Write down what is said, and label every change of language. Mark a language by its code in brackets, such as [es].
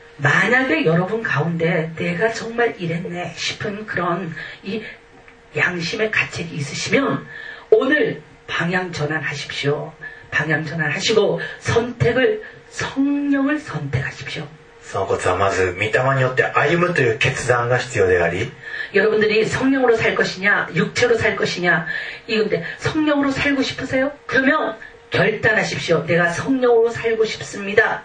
[ko] 만약에 여러분 가운데 내가 정말 이랬네 싶은 그런 이 양심의 가책이 있으시면 오늘 방향 전환하십시오. 방향 전환하시고 선택을 성령을 선택하십시오. [ja] そのことはまず御霊によって歩むという決断が必要であり [ko] 여러분들이 성령으로 살 것이냐 육체로 살 것이냐 이건데 성령으로 살고 싶으세요? 그러면 결단하십시오. 내가 성령으로 살고 싶습니다.